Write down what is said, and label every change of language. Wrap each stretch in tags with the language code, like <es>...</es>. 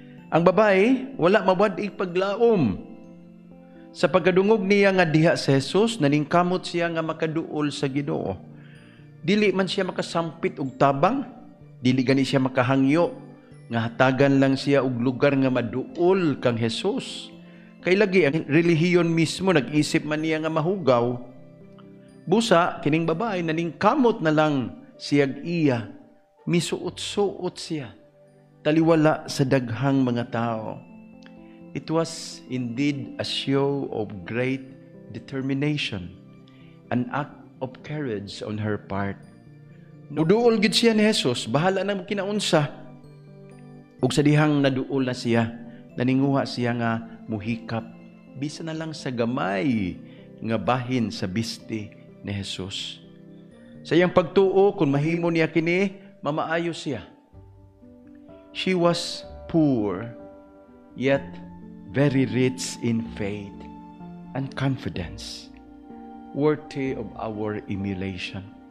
<ceb>Ang babae, wala mawad ipaglaom. Sa pagkadungog niya nga diha sa Jesus, naningkamot siya nga makaduol sa Ginoo. Dili man siya makasampit og tabang, dili gani siya makahangyo, nga hatagan lang siya og lugar nga maduol kang Jesus. Kay lagi ang relihiyon mismo, nag-isip man niya nga mahugaw. Busa, kining babae, naningkamot na lang siyag iya, misuot-suot siya, taliwala sa daghang mga tao.</ceb> <en>It was indeed a show of great determination, an act of courage on her part.</en> <ceb>Muduol gid siya ni Jesus, bahala nang kinaunsa. Ug sa dihang naduol na siya, naninguha siya nga muhikap, bisa na lang sa gamay nga bahin sa biste ni Jesus. Sa iyang pagtuo, kung mahimo niya kini, mamaayo siya.</ceb> <en>She was poor, yet very rich in faith and confidence, worthy of our emulation.</en>